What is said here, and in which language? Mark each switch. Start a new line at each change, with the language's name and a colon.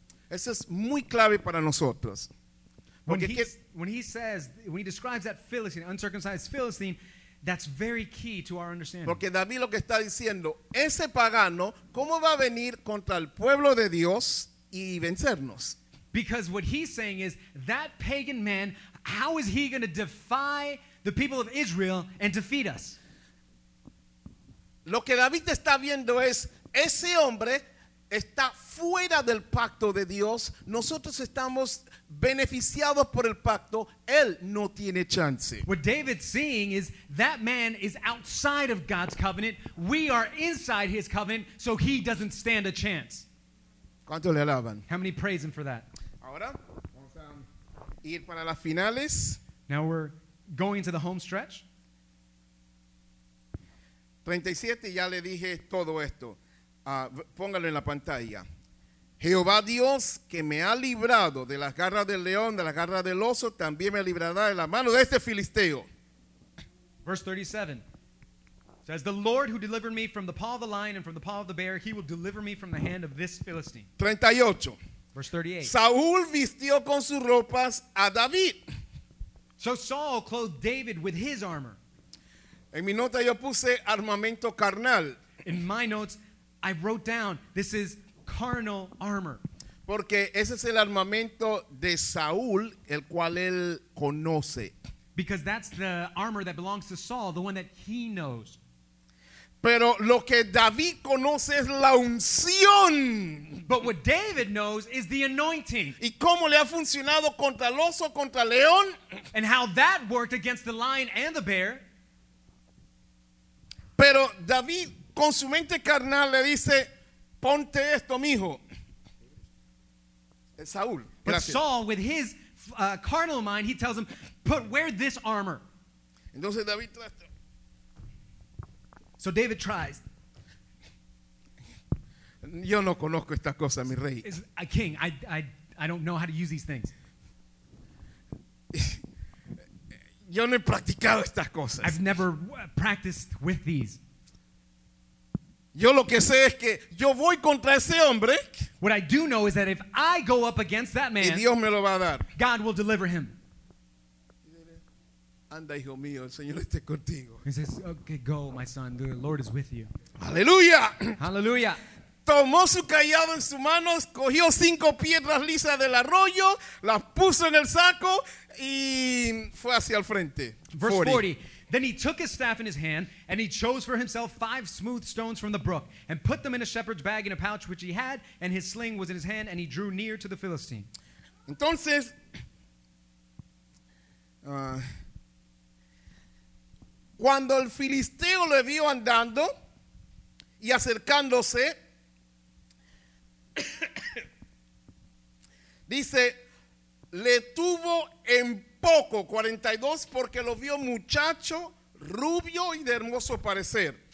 Spanish: Eso es muy clave para nosotros.
English: When he describes that Philistine, uncircumcised Philistine, that's very key to our understanding.
Spanish: Porque David lo que está diciendo, ese pagano, ¿cómo va a venir contra el pueblo de Dios y vencernos?
English: Because what he's saying is, that pagan man, how is he going to defy the people of Israel and defeat us?
Spanish: Lo que David está viendo es, ese hombre está fuera del pacto de Dios. Nosotros estamos beneficiados por el pacto. Él no tiene chance.
English: What David's seeing is that man is outside of God's covenant. We are inside his covenant, so he doesn't stand a chance.
Spanish: ¿Cuánto le alaban?
English: How many praise him for that?
Spanish: Ahora, vamos a ir para las finales.
English: Now we're going to the home stretch.
Spanish: 37, ya le dije todo esto. Póngalo en la pantalla. Jehová Dios, que me ha librado de las garras del león, de las garras del oso, también me librará de la mano de este filisteo.
English: Verse 37 says, the Lord who delivered me from the paw of the lion and from the paw of the bear, he will deliver me from the hand of this Philistine.
Spanish: 38.
English: Verse 38.
Spanish: Saúl vistió con sus ropas a David.
English: So Saul clothed David with his armor.
Spanish: En mi nota yo puse armamento carnal.
English: In my notes, I wrote down, this is carnal armor.
Spanish: Porque ese es el armamento de Saúl, el cual él conoce.
English: Because that's the armor that belongs to Saul, the one that he knows.
Spanish: Pero lo que David conoce es la unción.
English: But what David knows is the anointing.
Spanish: ¿Y cómo le ha funcionado contra el oso, contra el león?
English: And how that worked against the lion and the bear.
Spanish: Pero David, con su mente carnal, le dice, ponte esto, mijo. Saúl.
English: But Saul, with his carnal mind, he tells him, put, wear this armor.
Spanish: Entonces David trata.
English: So David tries.
Spanish: Yo no conozco esta cosa, mi rey.
English: As a king, I don't know how to use these things.
Spanish: Yo no he practicado estas cosas.
English: I've never practiced with these.
Spanish: Yo lo que sé es que yo voy contra ese hombre.
English: What I do know is that if I go up against that man,
Spanish: y Dios me lo va a dar.
English: God will deliver him.
Spanish: Anda, hijo mío, el Señor esté contigo.
English: He says, okay, go, my son. The Lord is with you.
Spanish: Aleluya.
English: Hallelujah.
Spanish: Tomó su cayado en sus manos, cogió cinco piedras lisas del arroyo, las puso en el saco y fue hacia el frente.
English: Verse 40. Then he took his staff in his hand, and he chose for himself five smooth stones from the brook, and put them in a shepherd's bag in a pouch which he had, and his sling was in his hand, and he drew near to the Philistine.
Spanish: Entonces, cuando el filisteo le vio andando y acercándose, dice, le tuvo en poco, 42, porque lo vio muchacho, rubio y de hermoso parecer.